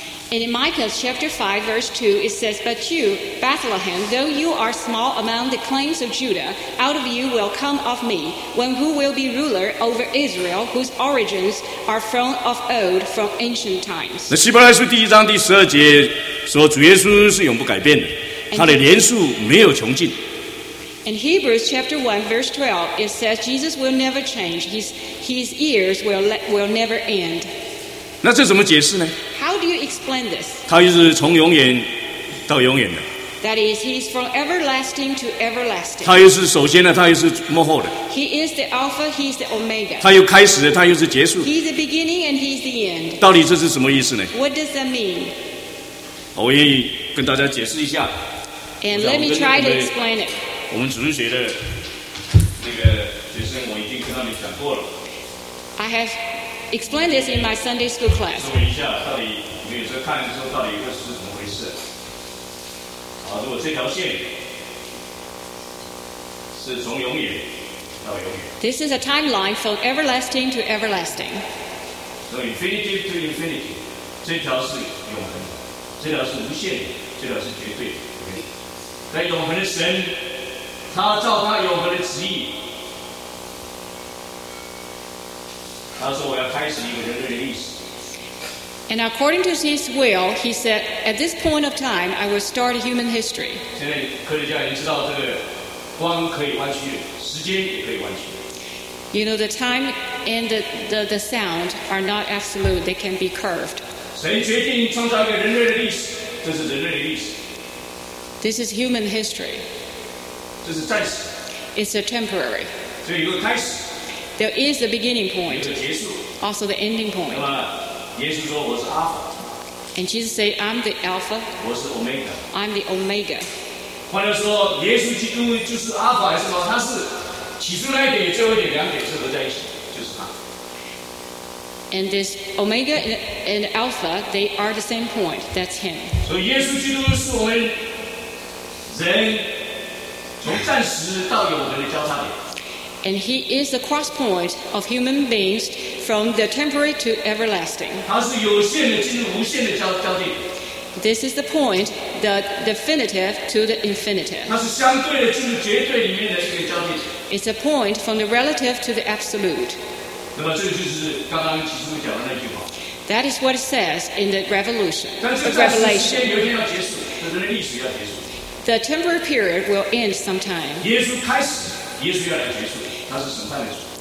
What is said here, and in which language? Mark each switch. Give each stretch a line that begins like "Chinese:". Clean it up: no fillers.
English: And in Micah chapter 5 verse 2 it says, "But you, Bethlehem, though you are small among the clans of Judah, out of you will come of me, one who will be ruler over Israel, whose origins are from of old, from ancient times."
Chinese: 那希伯来书第一章第十二节说，主耶稣是永不改变的，他的年数没有穷尽。
English: In Hebrews chapter 1 verse 12 it says Jesus will never change. His ears will never end.
Chinese: 那这怎么解释呢？
English: How do you explain this?
Chinese: 他就是从永远到永远的。
English: That is, he's from everlasting to everlasting.
Chinese: 他又是首先的，他又是末后的。
English: He is the Alpha, he is the Omega.
Chinese: 他又开始的，他又是结束。
English: He's the beginning and he's the end.
Chinese: 到底这是什么意思呢？
English: What does that mean?
Chinese: 我愿意跟大家解释一下。
English: And let me try to explain it.
Chinese: 我们主日学的那个学生，我已经跟他们讲过了。
English: I have explained this in my Sunday school class.
Chinese: 说一下到底，你有时候看的时候，到底会是怎么回事？好，如果这条线是从永远到永远。
English: This is a timeline from everlasting to everlasting. So infinity to infinity,
Chinese: 这条是永恒，这条是无限的，这条是绝对的。在永恒的神。他照他永恒的旨意，他说我要开始一个人类的历史。
English: And according to his will, he said, at this point of time, I will start human history.
Chinese: 现在科学家已经知道这个光可以弯曲，时间也可以弯曲。
English: You know, the time and the sound are not absolute; they can be curved.
Chinese: 神决定创造一个人类的历史，这是人类的历史。
English: This is human history.
Chinese: 这是暂时。
English: It's a temporary.
Chinese: 这有一个开始。
English: There is a beginning point.
Chinese: 有一个结束。
English: Also the ending point.
Chinese: 那么，耶稣说我是 Alpha.
English: And Jesus said, "I'm the Alpha."
Chinese: 我是 Omega.
English: I'm the Omega.
Chinese: 换言说，耶稣基督就是 Alpha 还是什么？他是起初那一点，最后一点，两点是合在一起，就是他。
English: And this Omega and Alpha, they are the same point. That's him.
Chinese: 所以耶稣基督是我们人。从暂时到永恒的交叉点。
English: And he is the cross point of human beings from the temporary to everlasting.
Chinese: 他是有限的进入无限的交界点。
English: This is the point, the definitive to the infinitive. It's a point from the relative to the absolute. That is what it says in the revelation. The temporal period will end sometime.